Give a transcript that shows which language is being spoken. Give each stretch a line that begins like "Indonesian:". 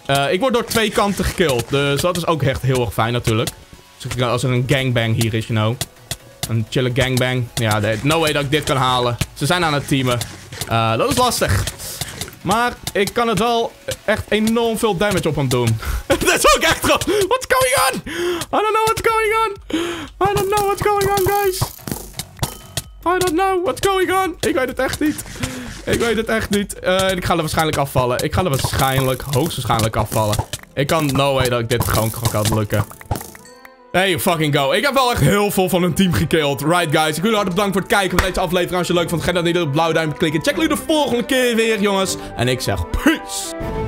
Dutch: Ik word door 2 kanten gekilled. Dus dat is ook echt heel erg fijn natuurlijk. Als er een gangbang hier is,
English: you know.
Dutch: Een chille gangbang. Ja, no way dat ik dit kan halen. Ze zijn aan het teamen. Dat is lastig. Maar ik kan het wel echt enorm veel damage op hem doen. Dat is ook echt grof.
English: What's going on? I don't know what's going on. I don't know what's going on, guys. I don't know what's going on.
Dutch: Ik weet het echt niet. Ik weet het echt niet. Ik ga er waarschijnlijk afvallen. Ik ga er waarschijnlijk, hoogstwaarschijnlijk afvallen. Ik kan no way dat ik dit gewoon kan lukken.
English: Hey, fucking go.
Dutch: Ik heb wel echt heel veel van een team gekilled.
English: Right, guys.
Dutch: Ik wil jullie hartelijk bedanken voor het kijken van deze aflevering. Als je het leuk vond, geef dan niet op blauw duimpje klikken. Check jullie de volgende keer weer, jongens. En ik zeg peace.